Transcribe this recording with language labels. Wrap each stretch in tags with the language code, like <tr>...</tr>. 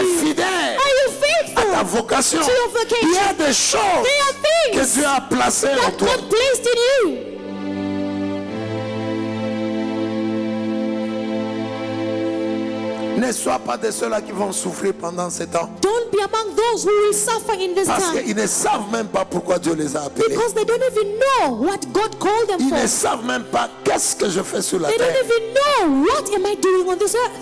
<fr>tu es fidèle</fr> <en>are you faithful</en> <fr>à ta vocation?</fr> <en>To your vocation?</en> <fr>Il y a des choses que Dieu a placées en toi.</fr> <en>God placed in you.</en> <fr>Ne sois pas de ceux-là qui vont souffrir pendant ce temps.</fr> <en>Don't be among those who will suffer in this</en> <fr>parce</fr> <en>time.</en> <fr>Parce qu'ils ne savent même pas pourquoi Dieu les a appelés.</fr> <en>Because they don't even know what God called them</en> <fr>ils</fr> <en>for.</en> <fr>Ils ne savent même pas qu'est-ce que je fais sur la</fr> <en>they</en> <fr>terre.</fr> <en>They don't even know what am I doing on this earth.</en>